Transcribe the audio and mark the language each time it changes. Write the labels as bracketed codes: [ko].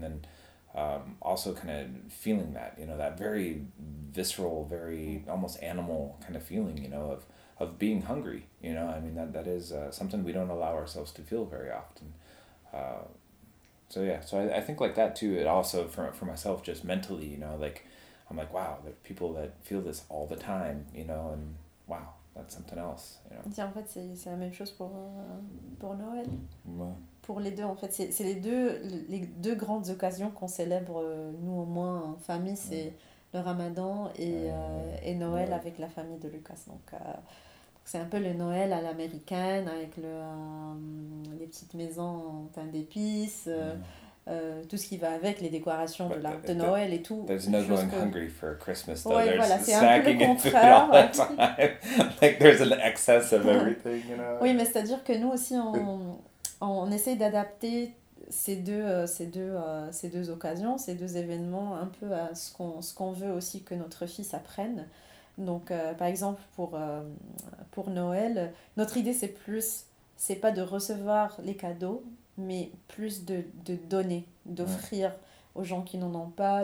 [en] And then also kind of feeling that, you know, that very visceral, very almost animal kind of feeling, you know, of being hungry, you know, I mean, that is something we don't allow ourselves to feel very often. So yeah, so I think like that too, it also for myself, just mentally, you know, like, I'm like, wow, there are people that feel this all the time, you know, and wow, that's something else, you know. [fr] Tiens, en fait, c'est la même chose pour Noël. Ouais. Pour les deux, en fait, c'est les deux grandes occasions qu'on célèbre, nous au moins, en famille, c'est le Ramadan et Noël avec la famille de Lucas, donc... C'est un peu le Noël à l'américaine avec les petites maisons en teint d'épices, tout ce qui va avec, les décorations de l'arbre de Noël et tout. [en] There's no going hungry for Christmas, though. [fr] Ouais, voilà, c'est un peu le contraire. [en] All the time. Like, there's an excess of everything, you know. [fr] Oui, mais c'est-à-dire que nous aussi, on essaye d'adapter ces deux occasions, ces deux événements, un peu à ce qu'on veut aussi que notre fils apprenne. Donc, par exemple, pour Noël, notre idée, c'est pas de recevoir les cadeaux, mais plus de donner, d'offrir aux gens qui n'en ont pas.